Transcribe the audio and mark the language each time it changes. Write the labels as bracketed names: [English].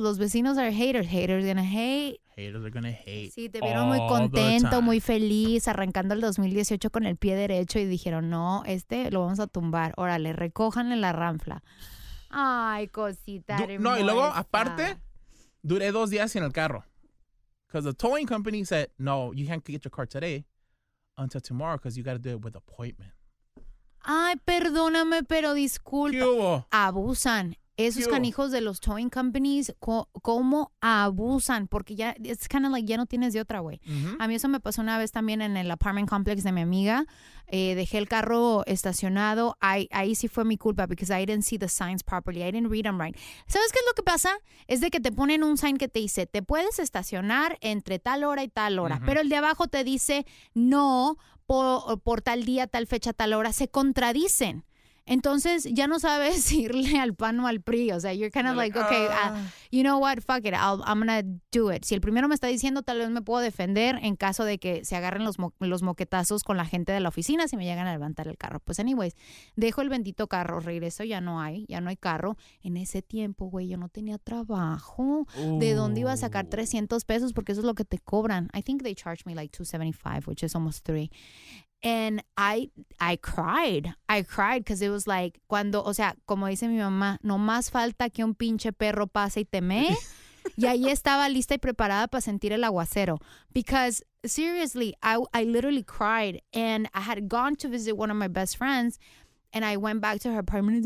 [Spanish] Los vecinos [English] are haters. Haters gonna hate. Haters are gonna hate. [Spanish] Sí, te vieron muy contento, muy feliz, arrancando el 2018 con el pie derecho y dijeron, no, este lo vamos a tumbar. Órale, recójanle la ranfla. Ay, cosita hermosa. No, y luego, aparte, duré 2 días en el carro. [English] Because the towing company said, no, you can't get your car today until tomorrow because you got to do it with appointment. [Spanish] Ay, perdóname, pero disculpa. ¿Qué hubo? Abusan. Esos canijos de los towing companies, ¿cómo abusan? Porque ya, [English] it's kind of like, [Spanish] ya no tienes de otra, güey. Uh-huh. A mí eso me pasó una vez también en el apartment complex de mi amiga. Dejé el carro estacionado. Ahí sí fue mi culpa, [English] because I didn't see the signs properly. I didn't read them right. [Spanish] ¿Sabes qué es lo que pasa? Es de que te ponen un sign que te dice, te puedes estacionar entre tal hora y tal hora. Uh-huh. Pero el de abajo te dice, no, por tal día, tal fecha, tal hora. Se contradicen. Entonces, ya no sabes irle al PAN o al PRI. O sea, [English] you're kind of like, okay, you know what? Fuck it. I'm gonna do it. [Spanish] Si el primero me está diciendo, tal vez me puedo defender en caso de que se agarren los moquetazos con la gente de la oficina si me llegan a levantar el carro. Pues, anyways, dejo el bendito carro, regreso, ya no hay carro. En ese tiempo, güey, yo no tenía trabajo. Ooh. ¿De dónde iba a sacar $300? Porque eso es lo que te cobran. [English] I think they charge me like $275, which is almost $300. And I cried. I cried because it was like, [Spanish] cuando, o sea, como dice mi mamá, no más falta que un pinche perro pase y teme. Y ahí estaba lista y preparada para sentir el aguacero. [English] Because seriously, I literally cried. And I had gone to visit one of my best friends. And I went back to her apartment.